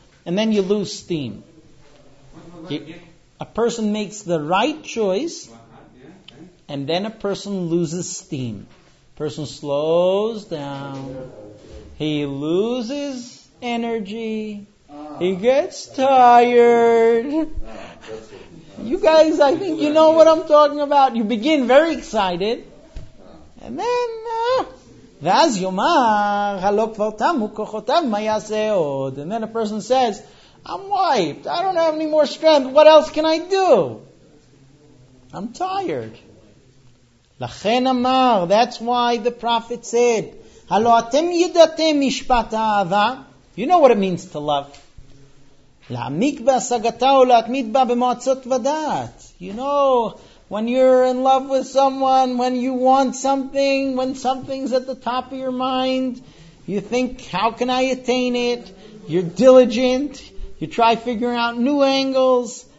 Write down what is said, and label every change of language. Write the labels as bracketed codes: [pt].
[en] And then you lose steam. A person makes the right choice, and then a person loses steam. Person slows down. He loses energy. He gets tired. You guys, I think you know what I'm talking about. You begin very excited, and then [he] ואז יאמר, הלא כבר תמו כוחותיו, מה יעשה עוד? [en] And then a person says, I'm wiped, I don't have any more strength, what else can I do? I'm tired. [he] לכן אמר, [en] that's why the prophet said, [he] הלא אתם ידעתם משפט האהבה, [en] you know what it means to love. [he] להעמיק בהשגתה או להתמיד בה במועצות ודעת. [en] You know, when you're in love with someone, when you want something, when something's at the top of your mind, you think, how can I attain it? You're diligent. You try figuring out new angles.